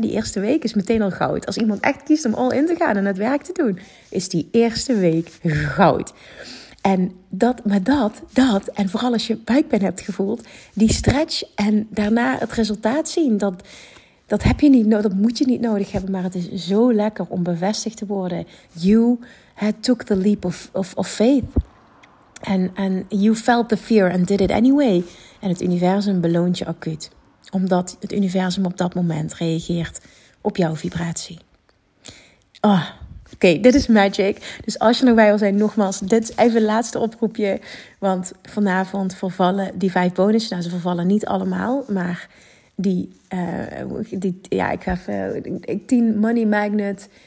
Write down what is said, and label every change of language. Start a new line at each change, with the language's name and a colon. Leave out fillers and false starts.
Dutch: Die eerste week is meteen al goud. Als iemand echt kiest om all in te gaan en het werk te doen, is die eerste week goud. En dat, maar dat, en vooral als je buikpijn hebt gevoeld, die stretch en daarna het resultaat zien, dat heb je niet nodig, dat moet je niet nodig hebben. Maar het is zo lekker om bevestigd te worden.
English: You took the leap of faith. En you felt the fear and did it anyway.
Dutch: En het universum beloont je acuut. Omdat het universum op dat moment reageert op jouw vibratie. Oh, oké, dit is magic. Dus als je nog bij wil zijn, nogmaals, dit is even het laatste oproepje. Want vanavond vervallen die 5 bonussen. Nou, ze vervallen niet allemaal, maar ik 10 money magnet.